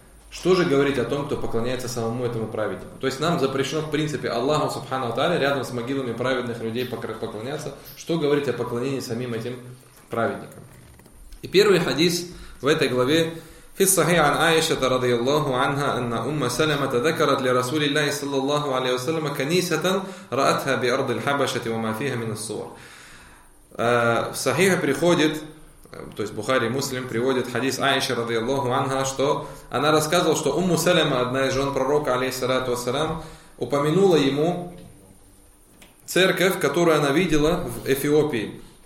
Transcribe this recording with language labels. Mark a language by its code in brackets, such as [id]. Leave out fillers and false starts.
[ru] Что же говорить о том, кто поклоняется самому этому праведнику? То есть нам запрещено, в принципе, Аллаху субханаху тааля рядом с могилами праведных людей поклоняться. Что говорить о поклонении самим этим праведникам? И первый хадис в этой главе. [ar] في الصحيح عن عائشة رضي الله عنها أن أم سلمة ذكرت لرسول الله صلى الله عليه وسلم كنيسة رأتها بأرض الحبشة وما فيها من الصور. [ru] В صحيح приходит, то есть Бухари Муслим приводит хадис Аиши رضي الله عنها, что она рассказывала, что Умму Салема, одна из жен пророка алейхиссалату вассалям, упомянула ему церковь, которую она видела в Эфиопии.